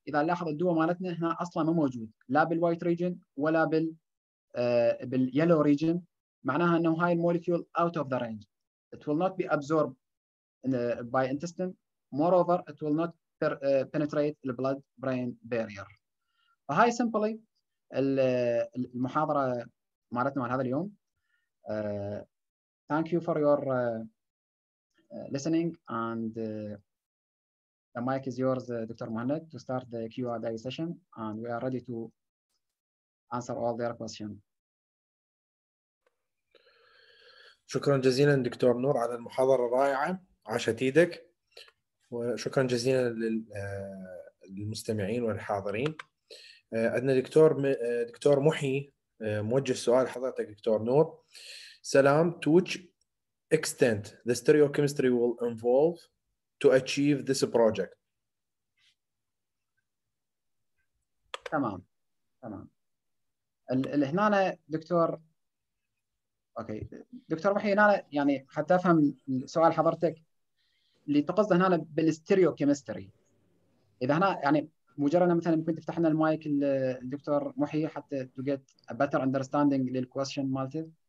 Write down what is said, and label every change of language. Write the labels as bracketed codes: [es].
[ar] إذا لاحظ الدواء مالتنا هنا أصلا ما موجود لا بالوايت ريجن ولا باليلو ريجن، معناها أنه هاي المولكيول [en] out of the range. It will not be absorbed by intestine. Moreover, it will not penetrate the blood-brain barrier. فهاي simply المحاضرة مالتنا مال هذا اليوم. Thank you for your listening and the mic is yours Dr. Mohamed to start the Q&A session and we are ready to answer all their questions. [ar] شكرا جزيلا دكتور نور على المحاضرة الرائعة، عاشت ايدك، وشكرا جزيلا للمستمعين والحاضرين. عندنا دكتور محي موجه سؤال حضرتك دكتور نور. [en] سلام، to which extent the stereochemistry will involve to achieve this project. [ar] تمام هنا دكتور، اوكي دكتور محي، هنا يعني حتى افهم سؤال حضرتك اللي تقصده هنا بالستيريوكيمستري، اذا هنا يعني مجرد مثلا ممكن تفتح لنا المايك الدكتور محي حتى [en] to get a better understanding [ar] للكويشن مالتي.